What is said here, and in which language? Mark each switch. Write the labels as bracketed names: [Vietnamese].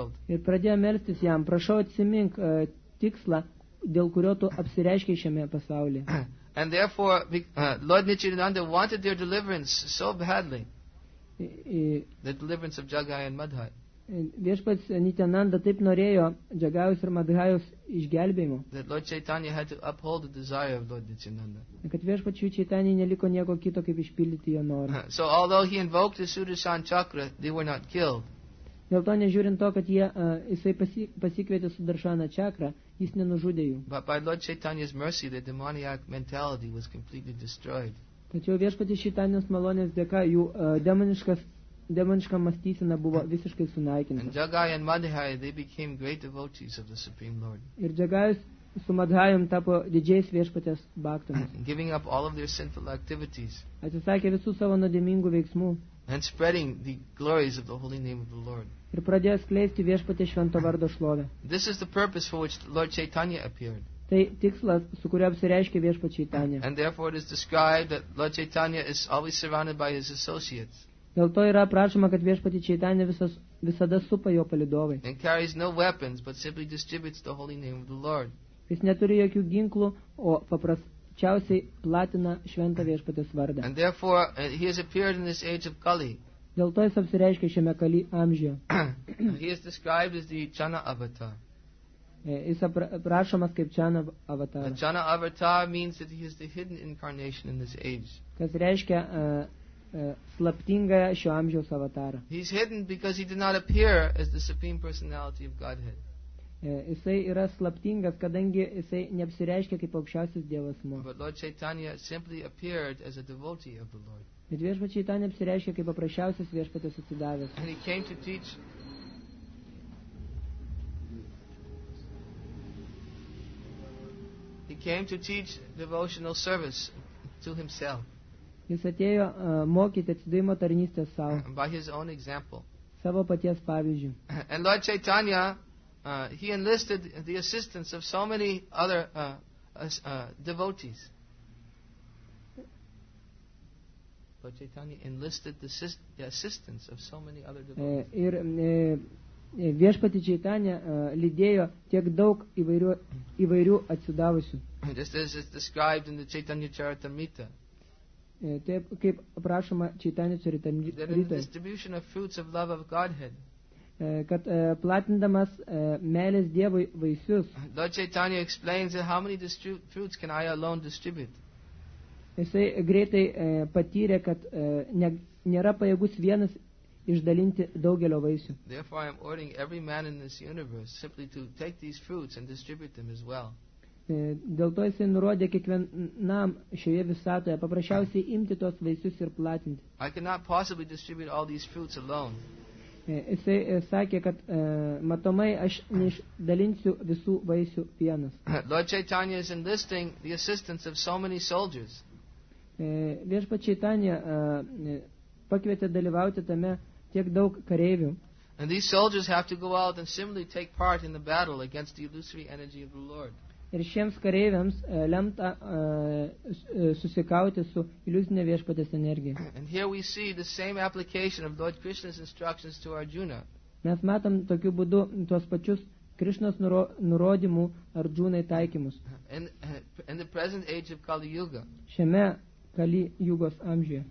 [Lithuanian] Ir pradėjo melstis jam, prašau atsimink tikslą, dėl kurio tu apsireiškiai šiame pasaulyje. [English] And therefore, Lord Nityananda wanted their deliverance so badly, the deliverance of Jagai and Madhai. [Lithuanian] Viešpats Nityananda taip norėjo Džagajus ir Madhajus išgelbėjimo. [English] That Lord Chaitanya had to uphold the desire of Lord Nityananda. [Lithuanian] Kad viešpačiui Chaitanyai neliko nieko kito, kaip išpildyti jo norą. [English] So although he invoked the Sudarshan chakra, they were not killed. [Lithuanian] Dėl to nežiūrint to, kad jisai pasikvietė Sudarshana chakra, jis nenužudė jų. [English] But by Lord Chaitanya's mercy, the demoniac mentality was completely destroyed. [Lithuanian] Tačiau viešpatis Chaitanyos malonės dėka jų demoniška mąstysena buvo visiškai sunaikinta. [English] And Jagai and Madhai, they became great devotees of the Supreme Lord. [Lithuanian] Ir Jagajus su Madhajum tapo didžiais viešpatės baktomis. [English] Giving up all of their sinful activities. [Lithuanian] Atsisakė visų savo nuodėmingų veiksmų. [English] And spreading the glories of the holy name of the Lord. [Lithuanian] Ir pradėjo skleisti viešpatės švento vardo šlovę. [English] This is the purpose for which Lord Chaitanya appeared. [Lithuanian] Tai tikslas, su kuriuo apsireiškė viešpats Chaitanya. [English] And therefore it is described that Lord Chaitanya is always surrounded by his associates. [Lithuanian] Dėl to yra prašoma, kad viešpatį Čaitanį visada supa jo palidovai. [English] And carries no weapons, but simply distributes the holy name of the Lord. [Lithuanian] Jis neturi jokių ginklų, o paprasčiausiai platina šventą viešpatės vardą. [English] And therefore, he has appeared in this age of Kali. [Lithuanian] Dėl to jis apsireiškia šiame Kali amžiuje. [English] He is described as the Chana Avatar. [Lithuanian] Jis aprašomas kaip Jana Avatar. [English] The Jana Avatar means that he is the hidden incarnation in this age. [Lithuanian] Kas reiškia slaptinga šio amžiaus avatarą. [English] He is hidden because he did not appear as the Supreme Personality of Godhead. [Lithuanian] Jisai yra slaptingas, kadangi jisai neapsireiškia kaip aukščiausias dievas mo. [English] But Lord Chaitanya simply appeared as a devotee of the Lord. [Lithuanian] Bet viešpats Chaitanya apsireiškia kaip paprasčiausias viešpatės atsidavęs. [English] And he came to teach. He came to teach devotional service to himself. [Lithuanian] Jis atėjo mokyti atsidavimo tarnystės sau. [English] By his own example. [Lithuanian] Savo paties pavyzdžių. [English] And Lord Chaitanya, he enlisted the assistance of so many other devotees. Lord Chaitanya enlisted the assistance of so many other devotees. [Lithuanian] Ir viešpatį Chaitanya lydėjo tiek daug įvairių atsidavusių. [English] Just as is described in the Chaitanya Charitamrita. [Lithuanian] Taip, kaip aprašoma Chaitanya Charitamrita. [English] The distribution of fruits of love of Godhead. [Lithuanian] Kad platindamas meilės Dievui vaisius. [English] Lord Chaitanya explains that how many fruits can I alone distribute. [Lithuanian] Jisai greitai patyrė, kad nėra pajėgus vienas išdalinti daugelio vaisių. [English] Therefore I am ordering every man in this universe simply to take these fruits and distribute them as well. [Lithuanian] Dėl to jisai nurodė kiekvienam šioje visatoje paprasčiausiai imti tos vaisius ir platinti. [English] I cannot possibly distribute all these fruits alone. [Lithuanian] Jisai sakė, kad matomai aš neišdalinsiu visų vaisių vienas. [English] Lord Chaitanya is enlisting the assistance of so many soldiers. [Lithuanian] Viešpats Chaitanya pakvietė dalyvauti tame tiek daug kareivių. [English] And these soldiers have to go out and similarly take part in the battle against the illusory energy of the Lord. [Lithuanian] Ir šiems kareiviams lemta susikauti su iliuzine viešpatės energija. [English] And here we see the same application of Lord Krishna's instructions to Arjuna. [Lithuanian] Mes matom tokiu būdu tuos pačius Krishnos nurodymų Arjunai taikymus. [English] In the present age of Kali Yuga. [Lithuanian] Šiame Kali Jugos amžiuje.